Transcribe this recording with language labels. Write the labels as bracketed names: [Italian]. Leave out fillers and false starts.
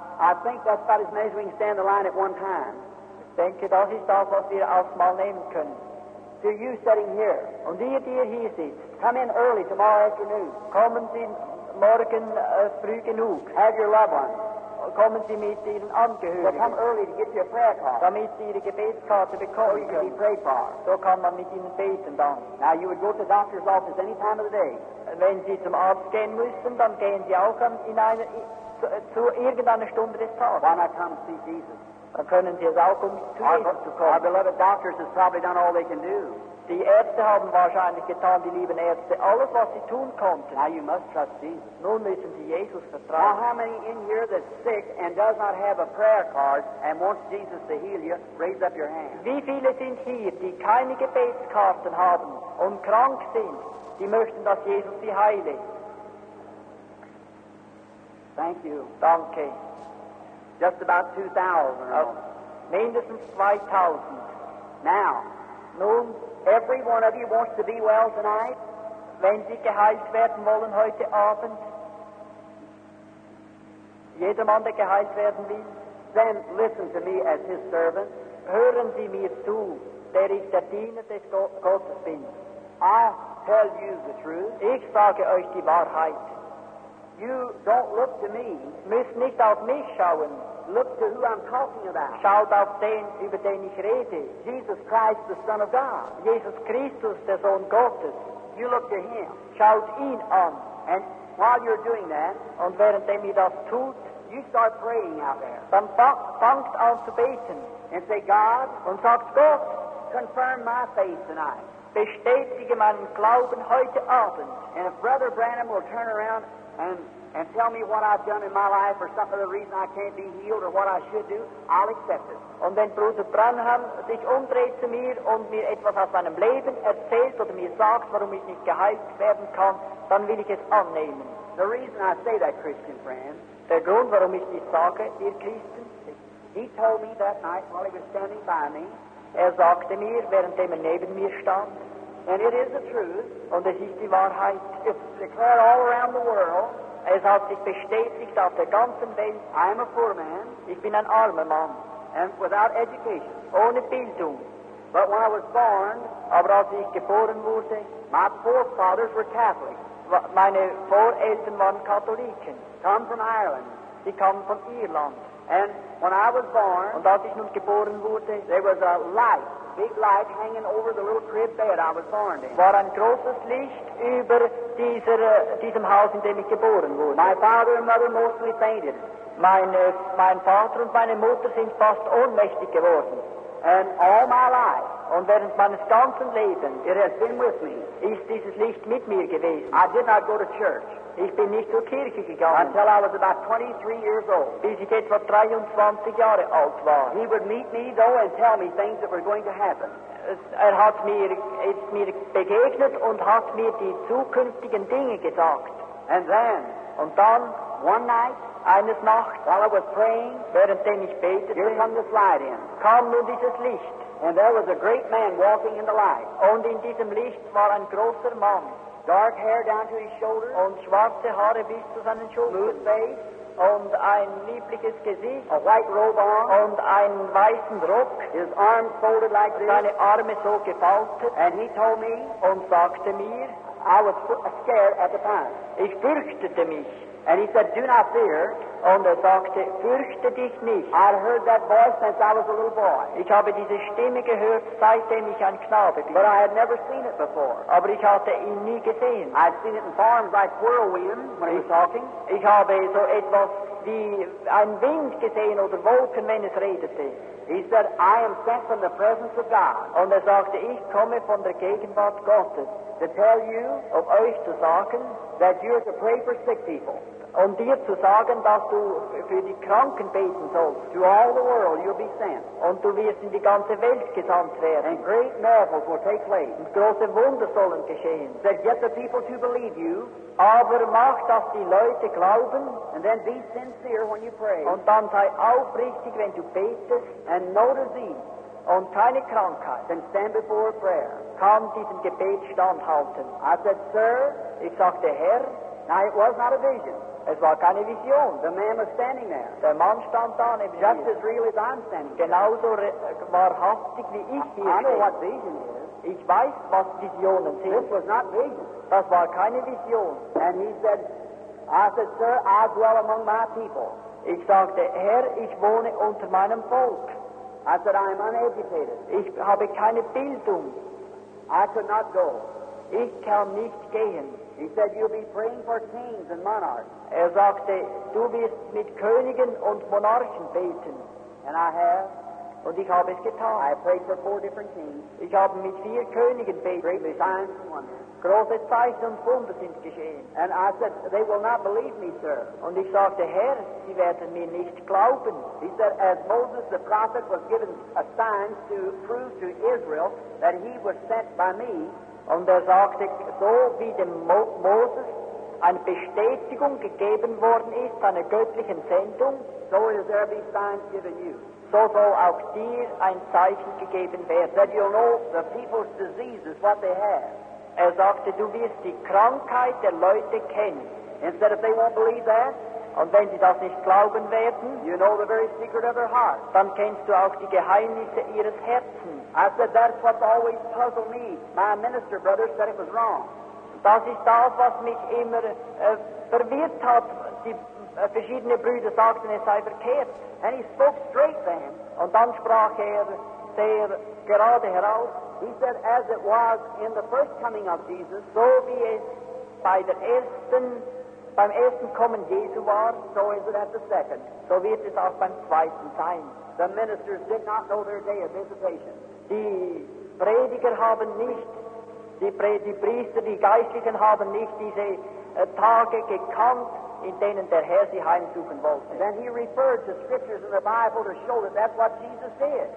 [English] I think that's about as many as we can stand the line at one time. [German] Denke, das ist das, was wir aufmal nehmen können. [English] Do you sitting here? [German] Und ihr, die ihr hier seid, [English] come in early tomorrow afternoon. [German] Kommen Sie morgen früh genug. [English] Have your loved ones. [German] Kommen Sie mit Ihren Angehörigen. [English] But come early to get your prayer card. [German] Damit Sie Ihre Gebetskarte bekommen. [English] So you can be prayed for. [German] So kann man mit Ihnen beten dann. [English] Now you would go to the doctor's office any time of the day. [German] Wenn Sie zum Arzt gehen müssen, dann gehen Sie auch zu irgendeiner Stunde des Tages. [English] Why not come see Jesus? [German] Können Sie es auch um zu Jesus kommen? [English] Our beloved doctors have probably done all they can do. [German] Die Ärzte haben wahrscheinlich getan, die lieben Ärzte, alles, was sie tun konnten. [English] Now you must trust Jesus. [German] Nun müssen Sie Jesus vertrauen. [English] Now how many in here that's sick and does not have a prayer card and wants Jesus to heal you, raise up your hand. [German] Wie viele sind hier, die keine Gebetskarten haben und krank sind, die möchten, dass Jesus sie heile? [English] Thank you. [German] Danke. [English] Just about 2,000. [German] Mindestens 2,000. [English] Now, [German] nun, [English] every one of you wants to be well tonight. [German] Wenn Sie geheilt werden wollen heute Abend, jedermann, der geheilt werden will, [English] then listen to me as his servant. [German] Hören Sie mir zu, der ich der Diener des Gottes bin. [English] I tell you the truth. [German] Ich sage euch die Wahrheit. [English] You don't look to me. [German] Müsst nicht auf mich schauen. [English] Look to who I'm talking about. [German] Schaut auf den, über den ich rede. [English] Jesus Christ, the Son of God. [German] Jesus Christus, der Sohn Gottes. [English] You look to him. [German] Schaut ihn an. [English] And while you're doing that, [German] und währenddem ihr das tut, [English] you start praying out there. [German] Dann fangt an zu beten. [English] And say, God, [German] und sagt Gott, [English] confirm my faith tonight. [German] Bestätige meinen Glauben heute Abend. [English] And if Brother Branham will turn around and tell me what I've done in my life or some other reason I can't be healed or what I should do, I'll accept it. [German] Und wenn Bruder Branham sich umdreht zu mir und mir etwas aus meinem Leben erzählt oder mir sagt, warum ich nicht geheilt werden kann, dann will ich es annehmen. [English] The reason I say that, Christian friend, [German] der Grund, warum ich dies sage, ihr Christen, [English] he told me that night while he was standing by me, [German] er sagte mir, währenddem er neben mir stand, [English] and it is the truth, [German] und es ist die Wahrheit, [English] it's declared all around the world, [German] es hat sich bestätigt auf der ganzen Welt. [English] I am a poor man. [German] Ich bin ein armer Mann. [English] And without education. [German] Ohne Bildung. [English] But when I was born, [German] aber als ich geboren wurde, [English] my forefathers were Catholic. [German] Meine Voreltern waren Katholiken. [English] Come from Ireland. [German] Sie kommen von Irland. [English] And when I was born, [German] und als ich nun geboren wurde, [English] there was a light, big light hanging over the little crib bed I was born in. [German] War ein großes Licht über diesem Haus, in dem ich geboren wurde. [English] My father and mother mostly fainted. [German] Mein Vater und meine Mutter sind fast ohnmächtig geworden. [English] And all my life, [German] und während meines ganzen Lebens, [English] it has been with me, [German] ist dieses Licht mit mir gewesen. [English] I did not go to church. [German] Ich bin nicht zur Kirche gegangen. [English] Until I was about 23 years old. [German] Bis ich etwa 23 Jahre alt war. [English] He would meet me though and tell me things that were going to happen. [German] Er hat mir, ist mir begegnet und hat mir die zukünftigen Dinge gesagt. [English] And then, [German] und dann, [English] one night, [German] eines Nachts, [English] while I was praying, [German] währenddem ich betete, [English] here come this light in. [German] Kam nun dieses Licht. [English] And there was a great man walking in the light. [German] Und in diesem Licht war ein großer Mann. [English] Dark hair down to his shoulders. [German] Und schwarze Haare bis zu seinen Schultern. [English] Smooth face. [German] Und ein liebliches Gesicht. [English] A white robe on. [German] Und einen weißen Rock. [English] His arms folded like this. [German] Seine Arme so gefaltet. [English] And he told me. [German] Und sagte mir. [English] I was scared at the time. [German] Ich fürchtete mich. [English] And he said, do not fear. [German] Und sagte, fürchte dich nicht. [English] I've heard that voice since I was a little boy. [German] Ich habe diese Stimme gehört, seitdem ich ein Knabe bin. [English] But I had never seen it before. [German] Aber ich hatte ihn nie gesehen. [English] I'd seen it in farms like whirlwind when he was talking. [German] Ich habe so etwas wie ein Wind gesehen oder Wolken, wenn es redete. [English] He said, I am sent from the presence of God. [German] Und sagte, ich komme von der Gegenwart Gottes. [English] To tell you, [German] of euch zu sagen, [English] that you are to pray for sick people. [German] Um dir zu sagen, dass du für die Kranken beten sollst. [English] To all the world you'll be sent. [German] Und du wirst in die ganze Welt gesandt werden. [English] And great miracles will take place. [German] Und große Wunder sollen geschehen. [English] That get the people to believe you. [German] Aber mach, dass die Leute glauben. [English] And then be sincere when you pray. [German] Und dann sei aufrichtig, wenn du betest. [English] And no disease. [German] Und keine Krankheit. [English] Then stand before prayer. [German] Kann diesem Gebet standhalten. [English] I said, sir. [German] Ich sagte, Herr. [English] Now it was not a vision. [German] Es war keine Vision. [English] The man was standing there. [German] Der Mann stand da neben [English] just as real as I'm standing. [German] Genauso wahrhaftig wie ich hier. [English] I know what vision is. [German] Ich weiß, was Visionen sind. [English] This was not vision. [German] Das war keine Vision. [English] And he said, I said, sir, I dwell among my people. [German] Ich sagte, Herr, ich wohne unter meinem Volk. [English] I said, I am uneducated. [German] Ich habe keine Bildung. [English] I could not go. [German] Ich kann nicht gehen. [English] He said, you'll be praying for kings and monarchs. [German] Sagte, du wirst mit Königen und Monarchen beten. [English] And I have. [German] Und ich habe es getan. [English] I prayed for four different kings. [German] Ich habe mit vier Königen beten. [English] Great signs and wonders. [German] Große Zeichen und Wunder sind geschehen. [English] And I said, they will not believe me, sir. [German] Und ich sagte, Herr, sie werden mir nicht glauben. [English] He said, as Moses the prophet was given a sign to prove to Israel that he was sent by me. [German] Und sagte, so wie dem Moses eine Bestätigung gegeben worden ist, einer göttlichen Sendung, [English] so will there be signs given you. [German] So soll auch dir ein Zeichen gegeben werden. [English] That you'll know the people's diseases, what they have. [German] Sagte, du wirst die Krankheit der Leute kennen. [English] And said, if they won't believe that, [German] und wenn sie das nicht glauben werden, [English] you know the very secret of their heart. [German] Dann kennst du auch die Geheimnisse ihres Herzens. [English] I said, that's what always puzzled me. My minister brother said it was wrong. [German] Das ist das, was mich immer verwirrt hat. Die verschiedene Brüder sagten, es sei verkehrt. [English] And he spoke straight then. [German] Und dann sprach sehr gerade heraus. [English] He said, as it was in the first coming of Jesus, [German] so wie es bei der ersten beim ersten Kommen Jesu war, [English] so is it at the second. [German] So wird es auch beim zweiten sein. [English] The ministers did not know their day of visitation. [German] Die Priester, die Geistlichen haben nicht diese Tage gekannt, in denen der Herr sie heimsuchen wollte. [English] Then he referred to scriptures in the Bible to show that that's what Jesus did.